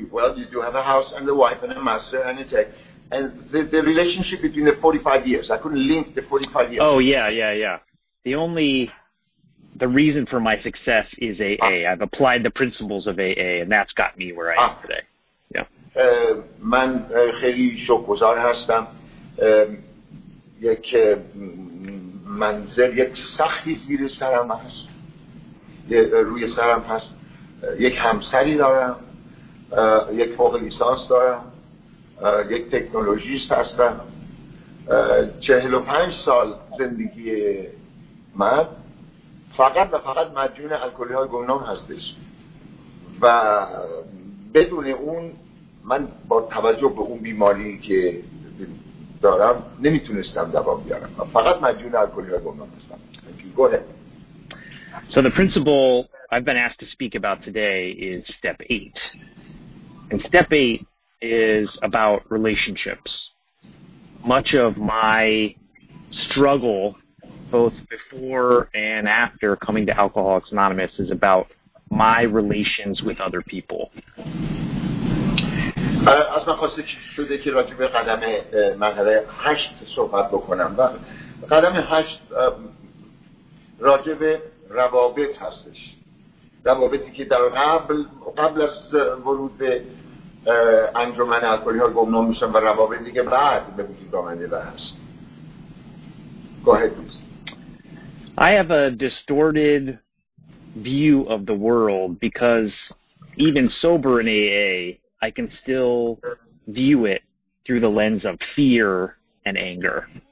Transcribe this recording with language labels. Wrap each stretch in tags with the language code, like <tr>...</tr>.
<en>Well, you do have a house and a wife and a master and a tech. And the relationship between the 45 years, I couldn't link the 45 years. Oh, yeah. The reason for my success is AA. I've applied the principles of AA, and that's got me where I am today.</en> <fa>من خیلی شکرگزار هستم یک منظر یک سختی زیر سرم هست روی سرم هست یک همسری دارم یک فوق لیسانس دارم یک تکنولوژیست هستم 45 سال زندگی من فقط و فقط مدیون الکلی های گمنام هستش و بدون اون من با توجه به اون بیماری که دارم نمیتونستم دوام بیارم فقط مدیون الکلی های گمنام هستم.</fa> <en>Go ahead. So the principle I've been asked to speak about today is step 8, and step 8 is about relationships. Much of my struggle, both before and after coming to Alcoholics Anonymous, is about my relations with other people.</en> <fa>از من خواسته شده که راجع به قدم مرحله 8 صحبت بکنم. قدم 8 راجع به روابط هستش. روابطی که در قبل از ورود به انجمن الکلی‌ها گمنام میشن و روابطی که بعد به وجود آمده هست.</fa> <en>Go ahead, please. I have a distorted view of the world because even sober in AA, I can still view it through the lens of fear and anger.</en>